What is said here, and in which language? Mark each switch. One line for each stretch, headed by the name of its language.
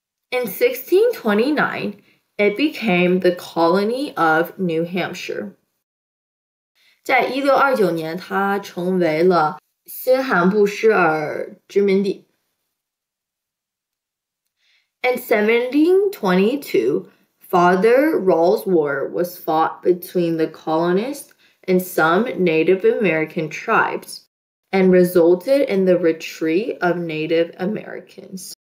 English: In 1629, it became the colony of New Hampshire.
Chinese: 在1629年, 它成为了新罕布什尔殖民地。
English: In 1722, Father Rawls' War was fought between the colonists and some Native American tribes and resulted in the retreat of Native Americans.